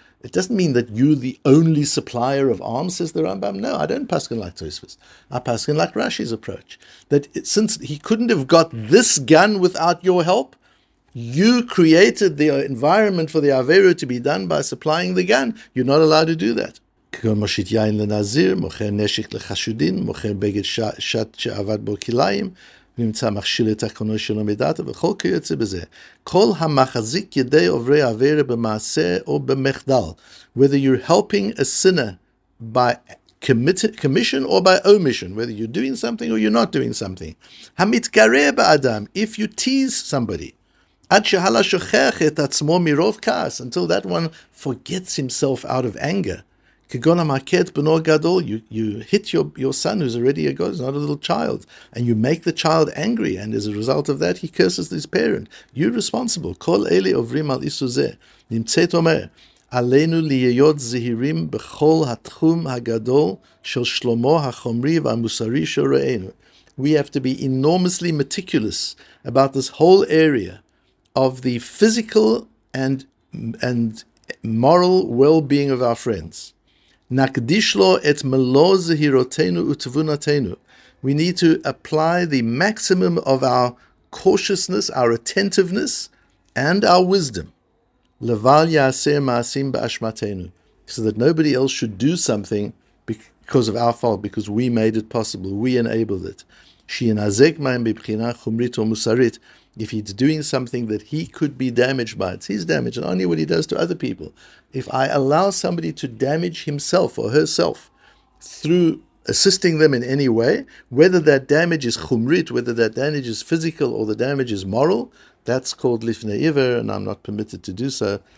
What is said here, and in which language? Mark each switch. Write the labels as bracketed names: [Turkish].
[English] It doesn't mean that you're the only supplier of arms, says the Rambam. No, I don't paskin like Tosfos. I paskin like Rashi's approach. That it, since he couldn't have got this gun without your help, you created the environment for the Averu to be done by supplying the gun. You're not allowed to do that. [Hebrew] כגון מושיט יין לנזיר, מוכר נשק לחשודים, מוכר בגד שט שעבד בו כליים, נמצא מכשיל את הקונו שלו מדעת, וכל כיוצא בזה. כל המחזיק ידי עוברי עבירה במעשה או במחדל. [English] Whether you're helping a sinner by commission or by omission, whether you're doing something or you're not doing something. [Hebrew] המתגרע באדם, [English] if you tease somebody, [Hebrew] עד שהלא שוכח את עצמו מרוב כעס, [English] until that one forgets himself out of anger. [Hebrew] כגון המכה בנו גדול, [English] you hit your son who's already a god, he's not a little child, and you make the child angry, and as a result of that, he curses his parent. You're responsible. [Hebrew] כל אלה עוברים על איסור זה. נמצאת אומר, עלינו להיות זהירים בכל התחום הגדול של שלומו החומרי והמוסרי של רעינו. [English] We have to be enormously meticulous about this whole area of the physical and moral well-being of our friends. [Hebrew] נקדיש לו את מלוא זהירותנו ותבונתנו. [English] We need to apply the maximum of our cautiousness, our attentiveness, and our wisdom. [Hebrew] לבל יעשה מעשים באשמתנו. [English] So that nobody else should do something because of our fault, because we made it possible, we enabled it. [Hebrew] שינזק מהם בבחינה חומרית או מוסרית. [English] If he's doing something that he could be damaged by, it's his damage, and only what he does to other people. If I allow somebody to damage himself or herself through assisting them in any way, whether that damage is chumrit, whether that damage is physical or the damage is moral, that's called lifnei iver, and I'm not permitted to do so.